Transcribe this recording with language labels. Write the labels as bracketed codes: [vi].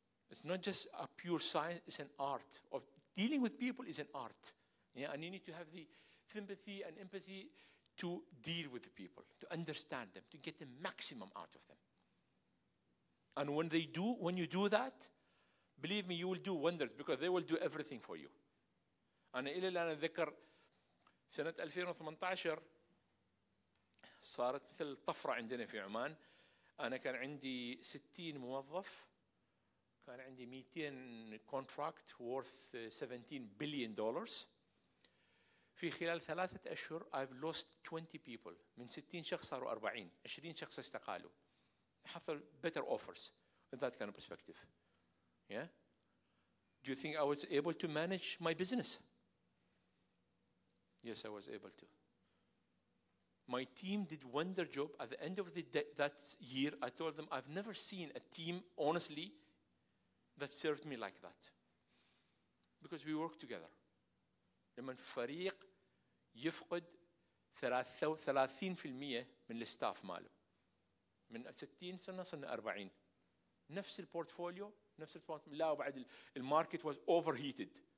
[en] It's not just a pure science, it's an art. Of dealing with people is an art. Yeah, and you need to have the sympathy and empathy to deal with the people, to understand them, to get the maximum out of them. And when they do, when you do that, believe me, you will do wonders because they will do everything for you. [ar] أنا إلى الآن أتذكر سنة 2018 صارت مثل طفرة عندنا في عمان. أنا كان عندي 60 موظف, كان عندي 200 [en] contract worth $17 billion. [ar] في خلال 3 أشهر [en] I've lost 20 people. [ar] من 60 شخص صاروا 40, 20 شخص استقالوا, حصل [en] better offers in that kind of perspective. Yeah, do you think I was able to manage my business? Yes, I was able to. My team did wonder job. At the end of the that year, I told them, I've never seen a team, honestly, that served me like that. Because we work together. [ar] لمن فريق يفقد 30% من الستاف ماله. من 60 سنة صرنا 40. نفس البورتفوليو, نفس لا وبعد الماركت [en] was overheated.